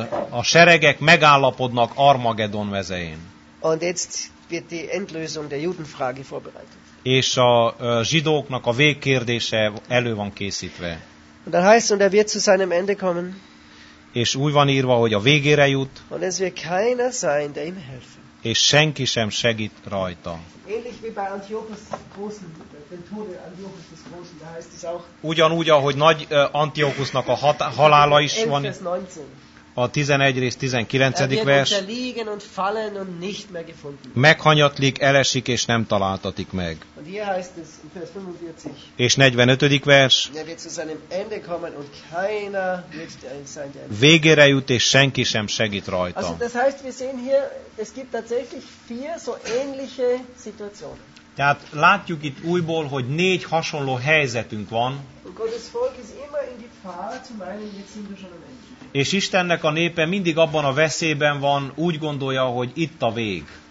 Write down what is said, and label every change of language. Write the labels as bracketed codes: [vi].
[hu] A seregek megállapodnak Armageddon vezején. [de] Und jetzt wird die Endlösung der Judenfrage vorbereitet. [hu] És a zsidóknak a végkérdése elő van készítve. [de] Und dann heißt, und er wird zu seinem Ende kommen. [hu] És úgy van írva, hogy a végére jut. [de] Und es wird keiner sein, der ihm helfen. [hu] És senki sem segít rajta. [de] Ähnlich wie bei Antiochus Großen, den Tode Antiochus des Großen, da heißt es auch. [hu] Ugyanúgy, ahogy nagy Antiochusnak a halála is van. A 11. rész 19. vers. [de] Unterliegen und fallen und nicht mehr gefunden. [hu] Meghanyatlik, elesik és nem találtatik meg. [de] Und hier heißt es, vers 45. [hu] És 45. vers. [de] Er wird zu seinem Ende kommen und keiner wird sein, der Ende. [hu] Végére jut és senki sem segít rajta. [de] Also das heißt, wir sehen hier, es gibt tatsächlich vier so ähnliche Situationen. [hu] Tehát látjuk itt újból, hogy négy hasonló helyzetünk van. [de] Und Gottes Volk ist immer in Gefahr zu meinen, jetzt sind wir schon am Ende. [hu] És Istennek a népe mindig abban a veszélyben van, úgy gondolja, hogy itt a vég.